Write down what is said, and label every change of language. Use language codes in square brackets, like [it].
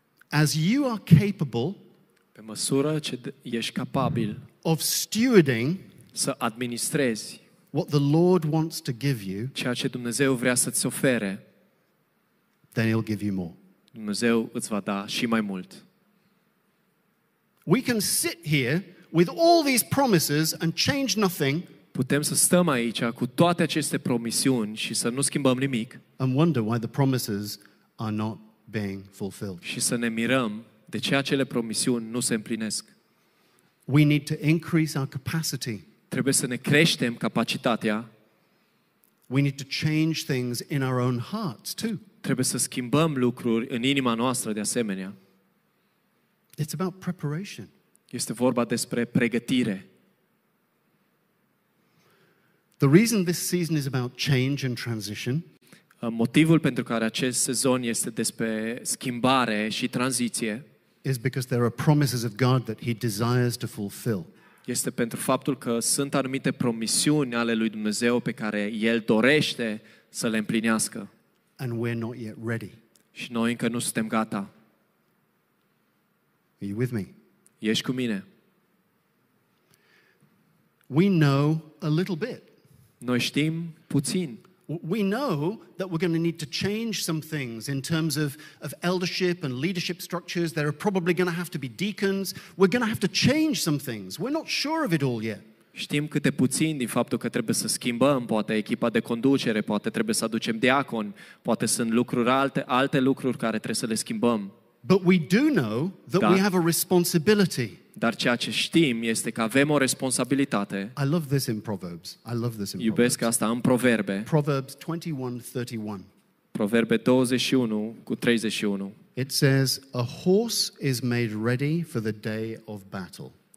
[en] As you are capable, [ro] pe măsură ce ești capabil, [en] of stewarding, [ro] să administrezi [en] what the Lord wants to give you, [ro] ceea ce Dumnezeu vrea să ți ofere, [en] then he'll give you more. [ro] Dumnezeu îți va da și mai mult. [en] We can sit here with all these promises and change nothing. [ro] Putem să stăm aici cu toate aceste promisiuni și să nu schimbăm nimic. [en] And wonder why the promises are not being fulfilled. [ro] Și să ne mirăm de ce acele promisiuni nu se împlinesc. [en] We need to increase our capacity. [ro] Trebuie să ne creștem capacitatea. [en] We need to change things in our own hearts too. [ro] Trebuie să schimbăm lucruri în inima noastră de asemenea. [en] It's about preparation. [ro] Este vorba despre pregătire. [en] The reason this season is about change and transition. [ro] Motivul pentru care acest sezon este despre schimbare și tranziție [en] is because there are promises of God that he desires to fulfill. [ro] Este pentru faptul că sunt anumite promisiuni ale lui Dumnezeu pe care el dorește să le împlinească. [en] And we're not yet ready. [ro] Și noi încă nu suntem gata. [en] Are you with me? [ro] Ești cu mine? [en] We know a little bit. [ro] Noi știm puțin. [en] We know that we're going to need to change some things in terms of eldership and leadership structures. There are probably going to have to be deacons. We're going to have to change some things. We're not sure of it all yet. [ro] Știm câte puțin din faptul că trebuie să schimbăm, poate echipa de conducere, poate trebuie să aducem diaconi, poate sunt lucruri alte lucruri care trebuie să le schimbăm. [en] But we do know that we have a responsibility. [ro] Dar ceea ce știm este că avem o responsabilitate. [en] I love this in Proverbs. I love this in Proverbs. [ro] Iubesc asta în Proverbe. [en] Proverbs 21:31. [ro] Proverbe 21 cu 31. [en] It says, a horse is made ready for the day of battle.